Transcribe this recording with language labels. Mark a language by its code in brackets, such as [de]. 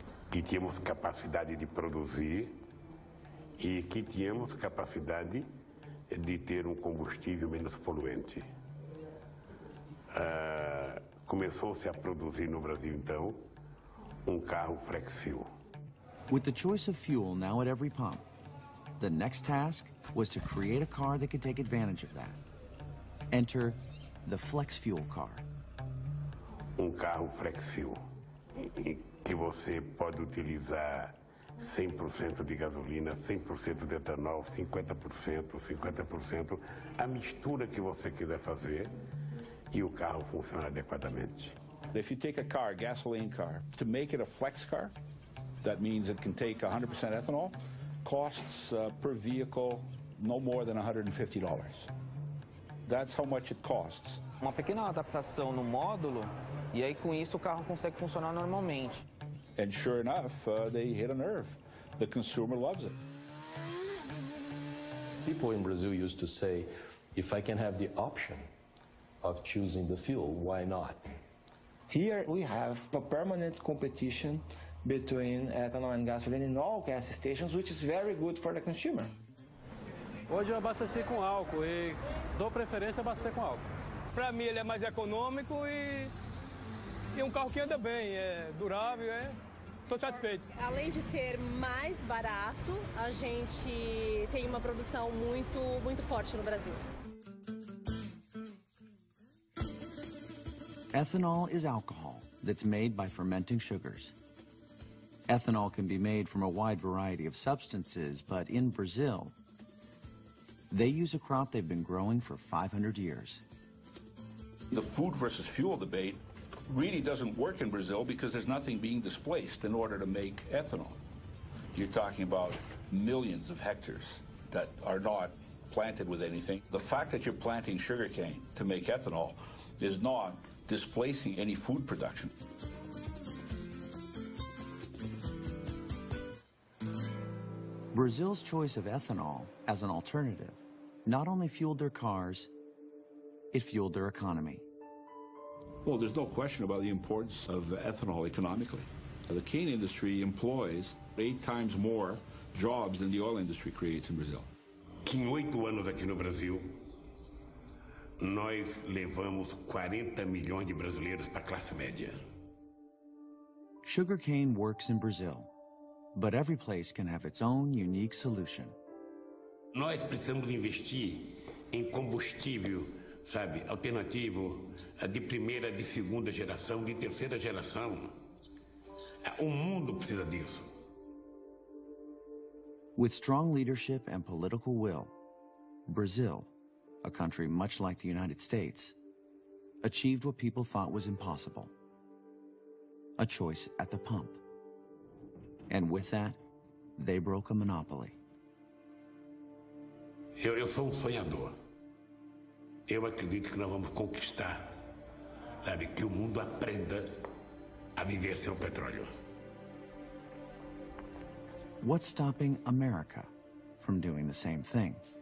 [pt] Que tínhamos capacidade de produzir e que tínhamos capacidade de ter um combustível menos poluente. Começou-se a produzir no Brasil, então, um carro flexível. [en] With the choice of fuel now at every pump, the next task was to create a car that could take advantage of that. Enter the flex fuel car. [pt] Um carro flexível, que você pode utilizar 100% de gasolina, 100% de etanol, 50%, 50%, a mistura que você quiser fazer, e o carro funciona adequadamente. [en] If you take a car, gasoline car, to make it a flex car, that means it can take 100% ethanol, costs per vehicle no more than $150. That's how much it costs. [pt] Uma pequena adaptação no módulo, e aí com isso o carro consegue funcionar normalmente. [en] And sure enough, they hit a nerve. The consumer loves it. People in Brazil used to say, if I can have the option of choosing the fuel, why not? Here we have a permanent competition between ethanol and gasoline in all gas stations, which is very good for the consumer. [pt] Hoje eu abasteci com álcool e dou preferência a abastecer com álcool. Para mim ele é mais econômico e um carro que anda bem, é durável, é. Tô satisfeito. Além de ser mais barato, a gente tem uma produção muito, muito forte no Brasil. [en] Ethanol is alcohol that's made by fermenting sugars. Ethanol can be made from a wide variety of substances, but in Brazil, they use a crop they've been growing for 500 years. The food versus fuel debate really doesn't work in Brazil because there's nothing being displaced in order to make ethanol. You're talking about millions of hectares that are not planted with anything. The fact that you're planting sugarcane to make ethanol is not displacing any food production. Brazil's choice of ethanol as an alternative not only fueled their cars, it fueled their economy. Well, there's no question about the importance of ethanol economically. The cane industry employs 8 times more jobs than the oil industry creates in Brazil. [pt] Em 8 anos aqui no Brasil, Nós levamos 40 milhões de brasileiros para a classe média. [en] Sugarcane works in Brazil, but every place can have its own unique solution. [pt] Nós precisamos investir em combustível, sabe, alternativo, de primeira, de segunda geração, de terceira geração. O mundo precisa disso. [en] With strong leadership and political will, Brazil, a country much like the United States, achieved what people thought was impossible. A choice at the pump. And with that, they broke a monopoly. [pt] Eu sou um sonhador. Eu acredito que nós vamos conquistar, sabe, que o mundo aprenda a viver sem o petróleo. [en] What's stopping America from doing the same thing?